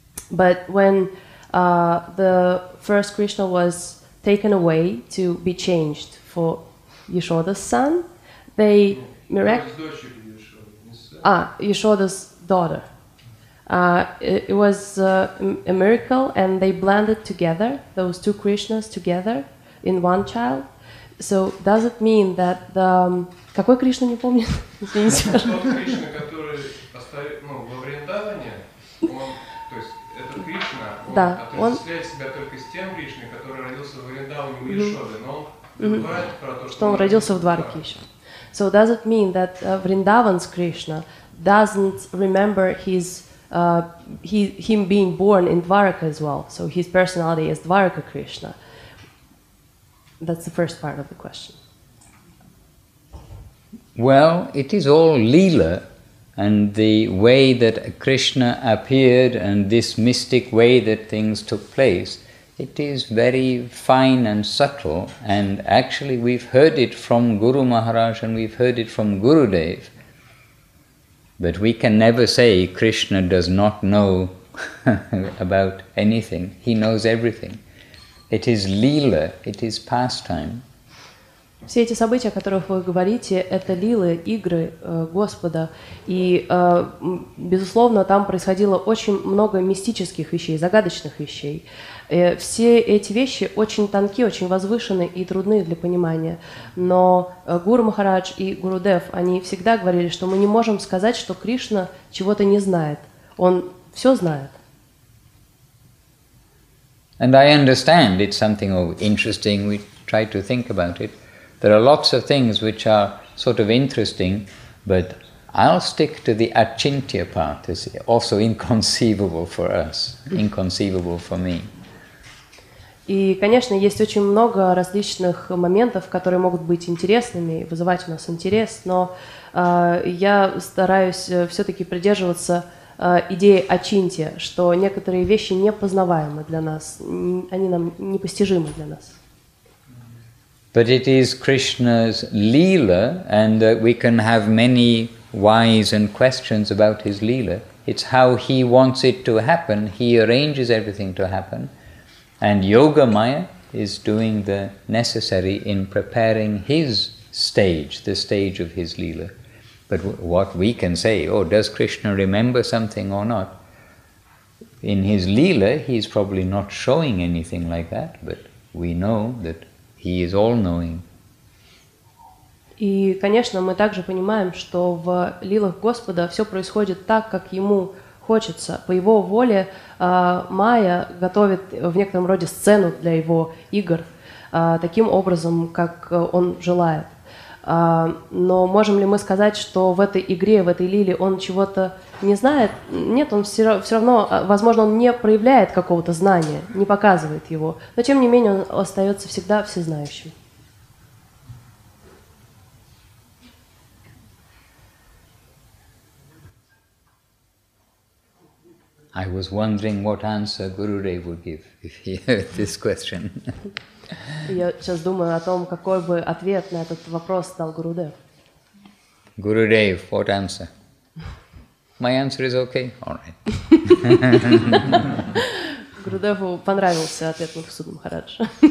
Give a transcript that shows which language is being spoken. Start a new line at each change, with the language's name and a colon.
English: But when the first Krishna was taken away to be changed for Yashoda's son, they Yashoda's daughter. It was a miracle, and they blended together, those two Krishnas together, in one child. So does it mean that the...
Russian: Какой Кришна, не помню? Тот Кришна, который остается во Вриндаване, то есть этот Кришна, он отождествляет себя только с тем Кришной, который родился в Вриндаване у Яшоды, но он говорит про то, что он родился в Двараке еще.
English: So does it mean that Vrindavan's Krishna doesn't remember him being born in Dvaraka as well, so his personality is Dvaraka Krishna. That's the first part of the question. Well, it is all Leela, and the way that Krishna appeared and this mystic way that things took place, it is very fine and subtle, and actually we've heard it from Guru Maharaj and we've heard it from Gurudev. But we can never say Krishna does not know about anything. He knows everything. It is Leela, it is pastime.
Russian: Все эти события, о которых вы говорите, это лилы, игры Господа. И, безусловно, там происходило очень много мистических вещей, загадочных вещей. Все эти вещи очень тонки, очень возвышены и трудны для понимания. Но Гуру Махарадж и Гуру Дев, они всегда говорили, что мы не можем сказать, что Кришна чего-то не знает. Он все знает.
English: And I understand it's something of interesting. We try to think about it. There are lots of things which are sort of interesting, but I'll stick to the achintya part. It's also inconceivable for us, inconceivable for me.
Russian: И, конечно, есть очень много различных моментов, которые могут быть интересными, вызывать у нас интерес, но я стараюсь все-таки придерживаться идеи ачинтья, что некоторые вещи непознаваемы для нас, они нам непостижимы для нас.
English: But it is Krishna's Leela, and we can have many whys and questions about his Leela. It's how he wants it to happen. He arranges everything to happen. And Yoga Maya is doing the necessary in preparing his stage, the stage of his Leela. But what we can say, does Krishna remember something or not? In his Leela, he's probably not showing anything like that, but we know that He is all-knowing.
Russian: И, конечно, мы также понимаем, что в лилах Господа все происходит так, как Ему хочется. По Его воле Майя готовит в некотором роде сцену для Его игр таким образом, как Он желает. Но можем ли мы сказать, что в этой игре, в этой лиле Он чего-то не знает? Нет, Он все равно, возможно, Он не проявляет какого-то знания, не показывает его. Но, тем не менее, Он остается всегда всезнающим. Uh-huh.
English: I was wondering what answer Guru Dev would give if he heard this question.
Russian: Я сейчас думаю о том, какой бы ответ на этот вопрос дал Гуру Дев.
English: Guru Dev, what answer? My answer is okay. All right.
Russian: Гуру Деву понравился ответ Мухсуду Махараджа.